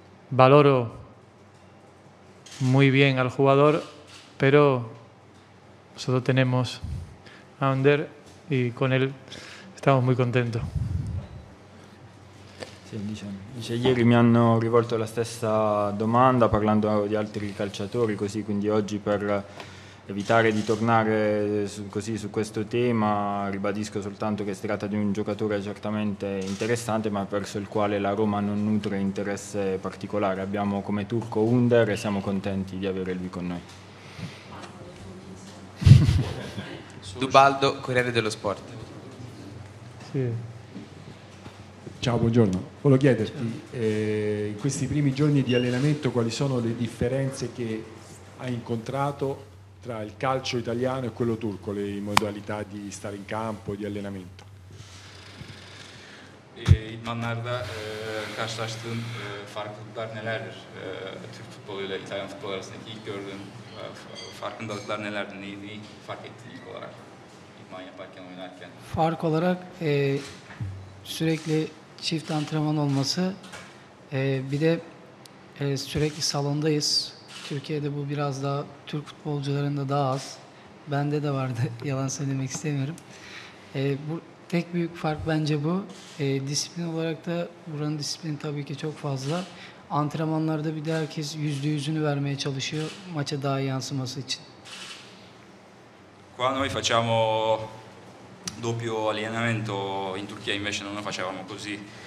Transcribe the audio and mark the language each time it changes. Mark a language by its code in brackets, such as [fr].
[es] Valoro muy bien al jugador, pero nosotros tenemos a Ander y con él estamos muy contentos. [it] Dice, ieri mi hanno rivolto la stessa domanda parlando di altri calciatori, così quindi oggi per evitare di tornare così su questo tema ribadisco soltanto che si tratta di un giocatore certamente interessante ma verso il quale la Roma non nutre interesse particolare, abbiamo come turco Under e siamo contenti di avere lui con noi. Dubaldo, Corriere dello Sport. Sì. Ciao, buongiorno. Volevo chiederti, in questi primi giorni di allenamento, quali sono le differenze che hai incontrato tra il calcio italiano e quello turco, le modalità di stare in campo, di allenamento? [tr] İdmanlarda karşılaştığın farklılıklar nelerdir? Türk futbolu ile İtalyan futbolu arasındaki ilk gördüğün farkındalıklar nelerdir? Neyi fark ettin ilk olarak? İdman yaparken, oynarken? Fark olarak sürekli çift antrenman olması, bir de sürekli salondayız. Türkiye'de bu biraz daha, Türk futbolcularında daha az. Bende de vardı, yalan söylemek istemiyorum. Bu tek büyük fark bence bu. Disiplin olarak da buranın disiplini tabii ki çok fazla. Antrenmanlarda bir de herkes %100'ünü vermeye çalışıyor maça daha yansıması için. [it] Qua noi facciamo doppio allenamento, in Turchia invece non lo facevamo così.